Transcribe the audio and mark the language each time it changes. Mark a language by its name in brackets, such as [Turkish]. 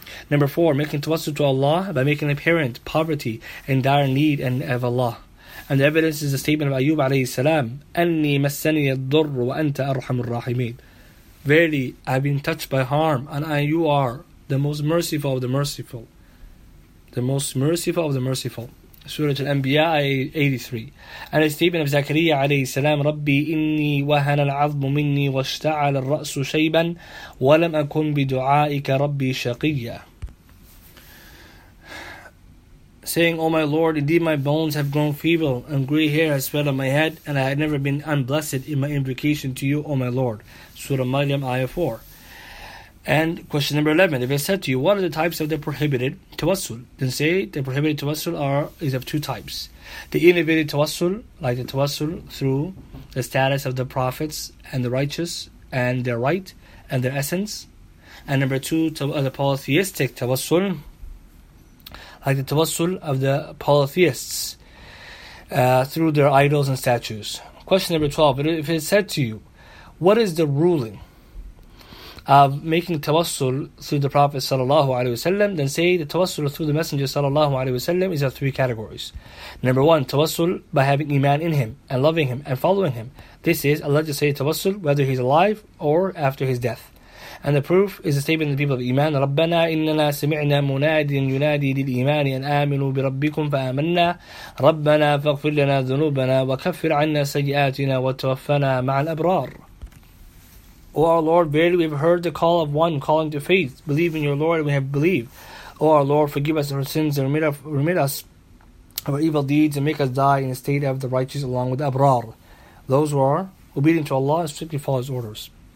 [English] Number four, making tawassul to Allah by making apparent poverty and dire need and of Allah. And the evidence is the statement of Ayyub alayhi salam, [Arabic] أَنِّي مَسَّنِيَ الضُّرُّ وَأَنْتَ أَرْحَمُ الرَّاحِمِينَ. [English] Verily, I've been touched by harm, and You are the most merciful of the merciful. The most merciful of the merciful. Surah Al-Anbiya, 83. And the statement of Zakariya alayhi salam, [Arabic] رَبِّي إِنِّي وَهَنَ الْعَظْمُ مِنِّي وَاشْتَعَلَ الرَّأْسُ شَيْبًا وَلَمْ أَكُنْ بِدُعَائِكَ رَبِّي شَقِيًّا. [English] Saying, O my Lord, indeed my bones have grown feeble, and grey hair has spread on my head, and I had never been unblessed in my invocation to You, O my Lord. Surah Maryam, Ayah 4. And question number 11. If I said to you, what are the types of the prohibited tawassul? Then say, the prohibited tawassul is of two types. The innovative tawassul, like the tawassul through the status of the prophets and the righteous, and their right, and their essence. And number two, the polytheistic tawassul, like the tawassul of the polytheists through their idols and statues. Question number 12. If it is said to you, what is the ruling making tawassul through the Prophet sallallahu alaihi wasallam, then say the tawassul through the Messenger sallallahu alaihi wasallam is of three categories. Number one, tawassul by having iman in him and loving him and following him. This is Allah to say tawassul whether he's alive or after his death. And the proof is the statement of the people of iman, [Arabic] رَبَّنَا إِنَّنَا سَمِعْنَا مُنَادٍ يُنَادِي لِلْإِيمَانِ أَنْ آمِنُوا بِرَبِّكُمْ فَآمَنَّا رَبَّنَا فَاغْفِرْ لَنَا ذُنُوبَنَا وَكَفِّرْ عَنَّا سَيِّئَاتِنَا وَتَوَفَّنَا مَعَ الْأَبْرَارِ. [English] O our Lord, verily we have heard the call of one calling to faith. Believe in your Lord, and we have believed. O our Lord, forgive us of our sins and remit us of our evil deeds and make us die in the state of the righteous along with the Abrar, those who are obedient to Allah and strictly follow His orders.